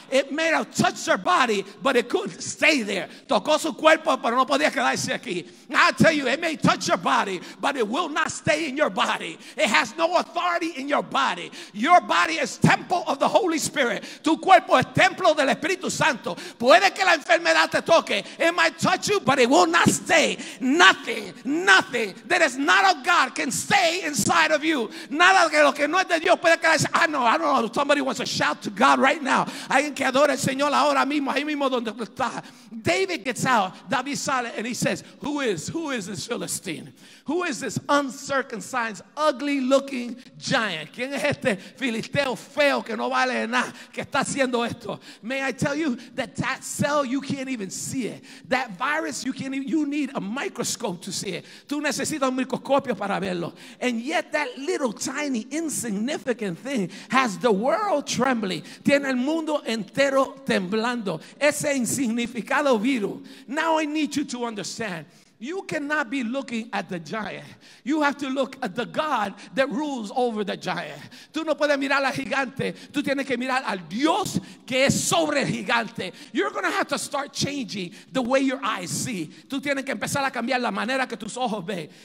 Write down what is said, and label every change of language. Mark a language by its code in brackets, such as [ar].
[en] It may have touched their body, but it couldn't stay there. [es] Tocó su cuerpo, pero no podía quedarse aquí. [en] I tell you, it may touch your body, but it will not stay in your body. It has no authority in your body. Your body is temple of the Holy Spirit. [es] Tu cuerpo es templo del Espíritu Santo. Puede que la enfermedad te toque. [en] It might touch you, but it will not stay. Nothing, nothing that is not of God can stay inside of you. [es] Nada que lo que no es de Dios puede quedarse. [en] I don't know. Somebody wants to shout to God right now. [es] Alguien que adore al Señor ahora mismo, ahí mismo donde está. [en] David gets out. David [es] sale [en] and he says, who is this Philistine? Who is this uncircumcised, ugly looking giant? [es] ¿Quién es este filisteo feo que no vale nada que está haciendo esto? [en] May I tell you that cell, you can't even see it. That virus, you need a microscope to see it. [es] Tú necesitas un microscopio para verlo. [en] And yet that little tiny insignificant thing has the world trembling. [es] Tiene el mundo entero temblando. Ese insignificado virus. [en] Now I need you to understand. You cannot be looking at the giant. You have to look at the God that rules over the giant. [es] Tú no puedes mirar al gigante. Tú tienes que mirar al Dios que es sobre el gigante. [en] You're going to have to start changing the way your eyes see. [es] Tú tienes que empezar a cambiar la manera que tus ojos ven.